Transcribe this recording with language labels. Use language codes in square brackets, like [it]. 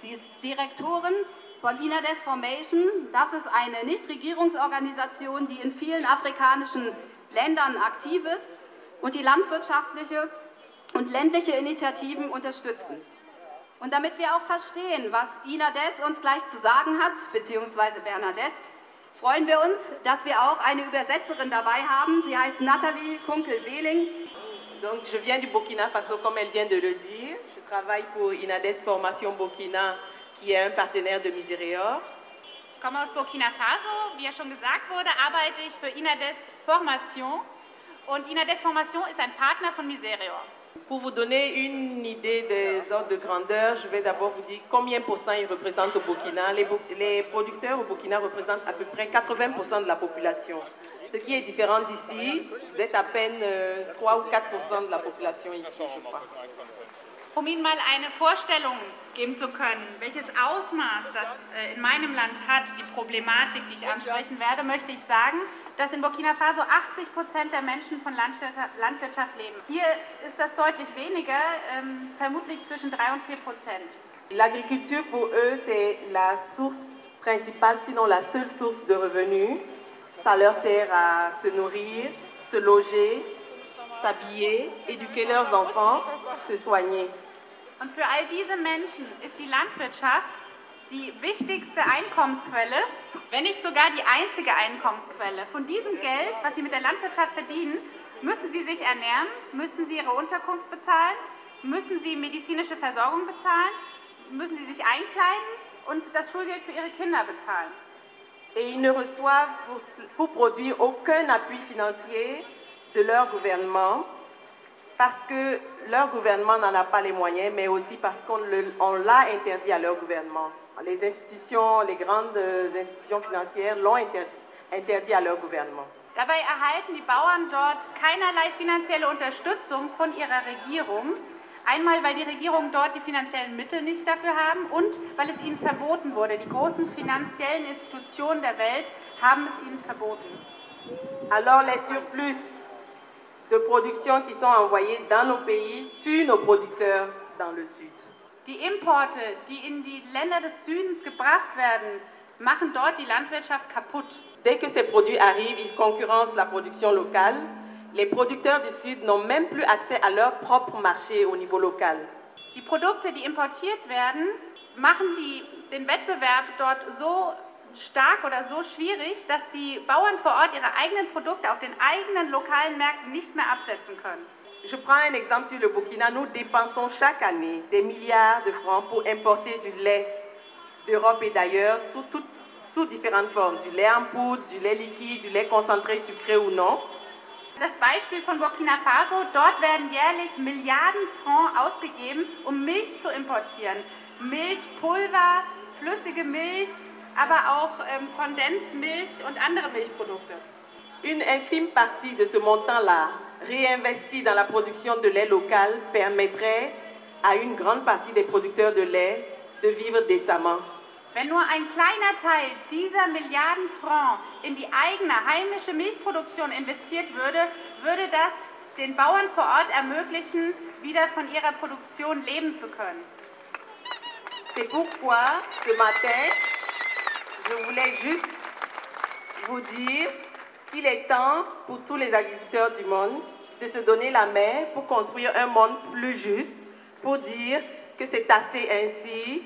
[de] Sie ist Direktorin von INADES Formation. Das ist eine Nichtregierungsorganisation, die in vielen afrikanischen Ländern aktiv ist und die landwirtschaftliche und ländliche Initiativen unterstützen. Und damit wir auch verstehen, was INADES uns gleich zu sagen hat, beziehungsweise Bernadette, freuen wir uns, dass wir auch eine Übersetzerin dabei haben. Sie heißt Nathalie Kunkel-Wehling. [fr] Donc, je viens du Burkina Faso, comme elle vient de le dire. Je travaille pour INADES Formation Burkina, qui est un partenaire de Miséréor. [de] Ich komme aus Burkina Faso. Wie ja schon gesagt wurde, arbeite ich für INADES Formation. Und INADES Formation ist ein Partner von Miséréor. [fr] Pour vous donner une idée des ordres de grandeur, je vais d'abord vous dire combien pour cent ils représentent au Burkina. Les producteurs au Burkina représentent à peu près 80% de la population. Ce qui est différent d'ici, vous êtes à peine 3 ou 4% de la population ici, je crois. [de] Um Ihnen mal eine Vorstellung geben zu können, welches Ausmaß das in meinem Land hat, die Problematik, die ich ansprechen werde, möchte ich sagen, dass in Burkina Faso 80% der Menschen von Landwirtschaft leben. Hier ist das deutlich weniger, vermutlich zwischen 3 und 4%. [fr] L'agriculture pour eux, c'est la source principale, sinon la seule source de revenus. Ça leur sert à se nourrir, se loger, s'habiller, éduquer leurs enfants, se soigner. [de] Und für all diese Menschen ist die Landwirtschaft die wichtigste Einkommensquelle, wenn nicht sogar die einzige Einkommensquelle. Von diesem Geld, was sie mit der Landwirtschaft verdienen, müssen sie sich ernähren, müssen sie ihre Unterkunft bezahlen, müssen sie medizinische Versorgung bezahlen, müssen sie sich einkleiden und das Schulgeld für ihre Kinder bezahlen. [fr] Et ils ne reçoivent pour produire aucun appui financier de leur gouvernement parce que leur gouvernement n'en a pas les moyens, mais aussi parce qu'on l'a interdit à leur gouvernement. Les institutions, les grandes institutions financières l'ont interdit à leur gouvernement. [de] Dabei erhalten die Bauern dort keinerlei finanzielle Unterstützung von ihrer Regierung. Einmal, weil die Regierung dort die finanziellen Mittel nicht dafür haben und weil es ihnen verboten wurde. Die großen finanziellen Institutionen der Welt haben es ihnen verboten. [fr] Alors les surplus de production qui sont envoyés dans nos pays tuent nos producteurs dans le sud. [de] Die Importe, die in die Länder des Südens gebracht werden, machen dort die Landwirtschaft kaputt. [fr] Dès que ces produits arrivent, ils concurrencent la production locale. Les producteurs du Sud n'ont même plus accès à leur propre marché au niveau local. [de] Die Produkte, die importiert werden, machen den Wettbewerb dort so stark oder so schwierig, dass die Bauern vor Ort ihre eigenen Produkte auf den eigenen lokalen Märkten nicht mehr absetzen können. [fr] Je prends un exemple sur le Burkina. Nous dépensons chaque année des milliards de francs pour importer du lait d'Europe et d'ailleurs sous différentes formes, du lait en poudre, du lait liquide, du lait concentré, sucré ou non. [de] Das Beispiel von Burkina Faso, dort werden jährlich Milliarden Francs ausgegeben, um Milch zu importieren. Milchpulver, flüssige Milch, aber auch Kondensmilch und andere Milchprodukte. [fr] Une infime partie de ce montant-là, réinvesti dans la production de lait local, permettrait à une grande partie des producteurs de lait de vivre décemment. [de] Wenn nur ein kleiner Teil dieser Milliarden Francs in die eigene heimische Milchproduktion investiert würde, würde das den Bauern vor Ort ermöglichen, wieder von ihrer Produktion leben zu können. [fr] C'est pourquoi ce matin, je voulais juste vous dire qu'il est temps pour tous les agriculteurs du monde de se donner la main pour construire un monde plus juste, pour dire que c'est assez ainsi.